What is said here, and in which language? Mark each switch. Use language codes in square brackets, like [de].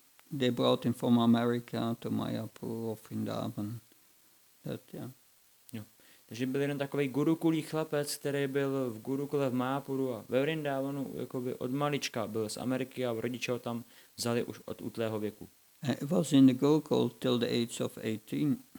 [en] They brought him from America to Mayapur or Vrindavan. That, yeah. [cs] že byl jeden takový gurukulý chlapec, který byl v Gurukule v Mápuru a ve Vrindávanu jakoby od malička byl z Ameriky a rodiče ho tam vzali už od útlého věku. [en] It was in the Gurukul till the age of 18.